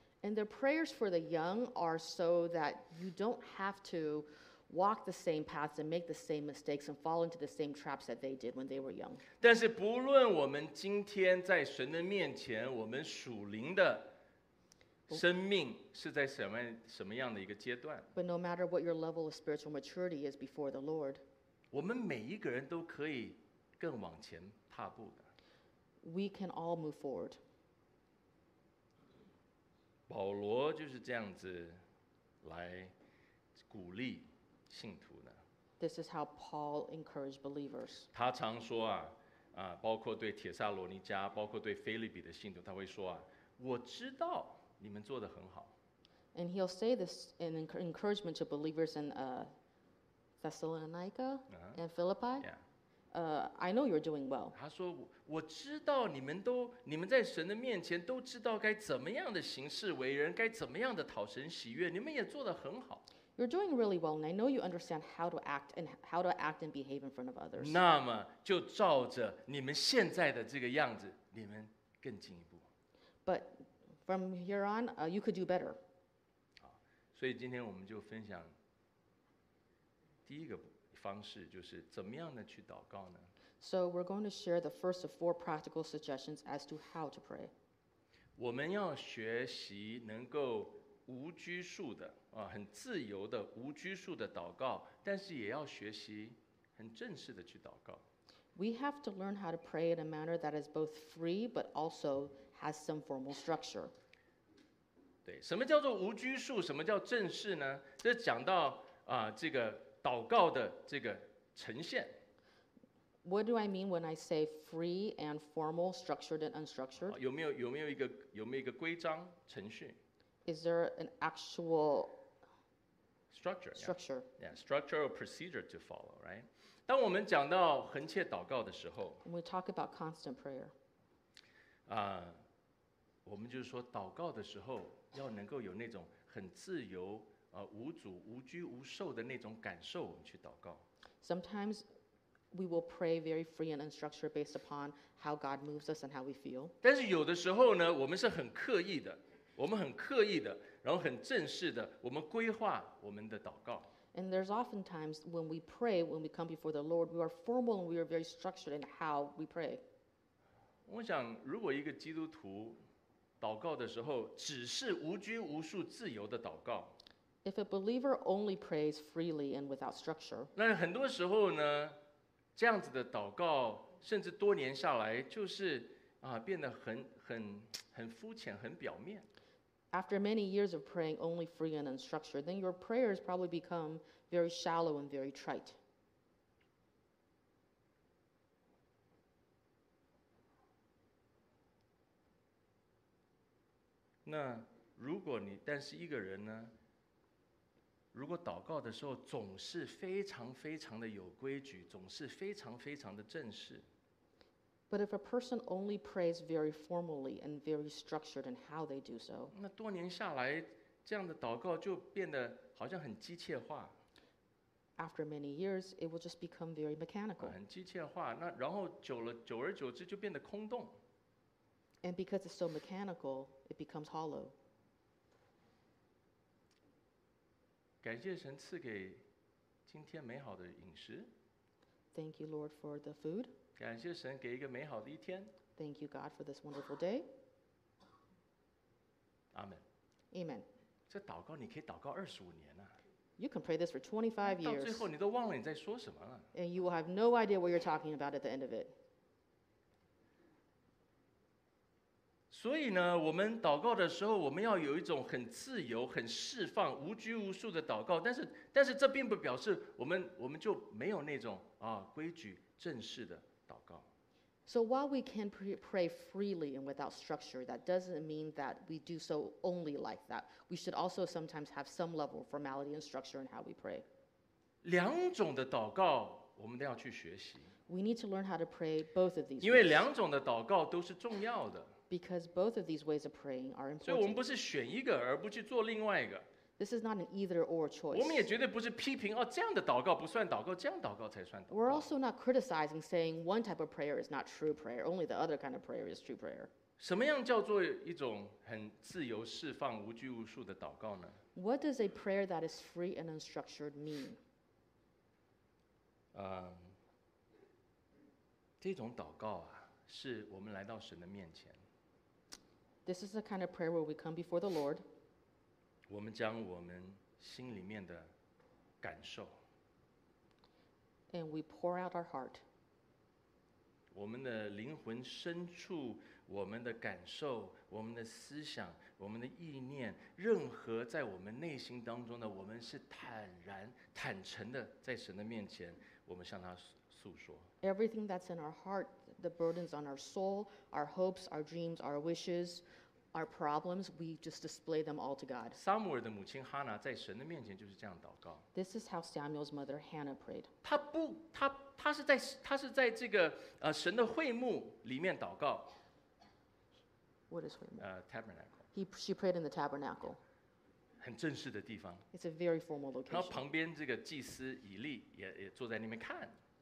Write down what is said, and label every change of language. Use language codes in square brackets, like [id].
[en] And their prayers for the young are so that you don't have to walk the same paths and make the same mistakes and fall into the same traps that they did when they were young. [zh] 但是不论我们今天在神的面前，我们属灵的生命是在什么样的一个阶段。 [en] But no matter what your level of spiritual maturity is before the Lord, [zh] 我们每一个人都可以更往前踏步的。 [en] We can all move forward. [zh] 保罗就是这样子来鼓励信徒的。 [en] This is how Paul encouraged believers. [zh] 他常说包括对帖撒罗尼迦，包括对腓立比的信徒，他会说我知道。你们做得很好。 [en] And he'll say this in encouragement to believers in Thessalonica and Philippi. I know you're doing well. [zh] 他说，我知道你们在神的面前都知道该怎么样的行事为人，该怎么样的讨神喜悦，你们也做得很好。 [en] You're doing really well, and I know you understand how to act and behave in front of others. [zh] 那么就照着你们现在的这个样子，你们更进一步。 [en] But from here on, you could do better. [zh] 好，所以今天我们就分享第一个方式，就是怎么样的去祷告呢？ [en] So we're going to share the first of four practical suggestions as to how to pray. [zh] 我们要学习能够无拘束的，很自由的，无拘束的祷告，但是也要学习很正式的去祷告。 [en] We have to learn how to pray in a manner that is both free but also has some formal structure. [zh] 对，什么叫做无拘束？什么叫正式呢？这讲到这个祷告的这个呈现。 [en] What do I mean when I say free and formal, structured and unstructured? [zh] 有没有一个规章程序 [en] ？Is there an actual structure? Structure. Yeah, structure or procedure to follow, right? [zh] 当我们讲到恒切祷告的时候 [en] ，We talk about constant prayer. [zh] 我们就是说祷告的时候要能够有那种很自由、无阻、无拘无束的那种感受，我们去祷告。 [en] Sometimes we will pray very free and unstructured based upon how God moves us and how we feel. [zh] 但是有的时候呢，我们是很刻意的，我们很刻意的，然后很正式的，我们规划我们的祷告。 [en] And there's often times when we pray, when we come before the Lord, we are formal and we are very structured in how we pray. [zh] 我想，如果一个基督徒祷告的时候只是无拘无束、自由的祷告 [en] ，If a believer only prays freely and without structure, [zh] 那很多时候呢，这样子的祷告，甚至多年下来，就是变得很肤浅、很表面。 [en] After many years of praying only free and unstructured, then your prayers probably become very shallow and very trite. [zh] 那如果你，但是一个人呢，如果祷告的时候总是非常非常的有规矩，总是非常非常的正式。 [en] But if a person only prays very formally and very structured in how they do so, [zh] 那多年下来，这样的祷告就变得好像很机械化。 [en] After many years, it will just become very mechanical. [zh] 很机械化，那然后久而久之就变得空洞。 [en] And because it's so mechanical, it becomes hollow. [zh] 感谢神赐给今天美好的饮食。 [en] Thank you, Lord, for the food. [zh] 感谢神给一个美好的一天。 [en] Thank you, God, for this wonderful day. Amen. Amen. [zh] 这祷告你可以祷告二十五年啊。 [en] You can pray this for 25 years. [zh] 到最后你都忘了你在说什么了。 [en] And you will have no idea what you're talking about at the end of it. [zh] 所以呢，我们祷告的时候，我们要有一种很自由、很释放、无拘无束的祷告。但是这并不表示我们就没有那种啊规矩、正式的祷告。 [en] So while we can pray freely and without structure, that doesn't mean that we do so only like that. We should also sometimes have some level of formality and structure in how we pray. [zh] 两种的祷告我们都要去学习。 [en] We need to learn how to pray both of these ways. [zh] 因为两种的祷告都是重要的。 [en] Because both of these ways of praying are important. [zh] 所以我们不是选一个而不去做另外一个。 [en] This is not an either or choice. [zh] 我们也绝对不是批评，哦，这样的祷告不算祷告，这样祷告才算祷告。 [en] We're also not criticizing saying one type of prayer is not true prayer, only the other kind of prayer is true prayer. [zh] 什么样叫做一种很自由释放无拘无束的祷告呢？ [en] What does a prayer that is free and unstructured mean? [zh] 这种祷告啊，是我们来到神的面前。 [en] This is the kind of prayer where we come before the Lord. [zh] 我们将我们心里面的感受 [en] ，and we pour out our heart， [zh] 我们的灵魂深处，我们的感受，我们的思想，我们的意念，任何在我们内心当中的，我们是坦然、坦诚的，在神的面前，我们向他诉说。 [en] Everything that's in our heart, the burdens on our soul, our hopes, our dreams, our wishes. Our problems, we just display them all to God. [zh] Samuel 的母亲哈拿在神的面前就是这样祷告。 [en] This is how Samuel's mother Hannah prayed. [zh] 她是在这个神的会幕里面祷告。 [en] What is 会幕？ Tabernacle. She prayed in the tabernacle. [zh] 很正式的地方。 [en] It's a very formal location. [zh] 然后旁边这个祭司以利也坐在那边看。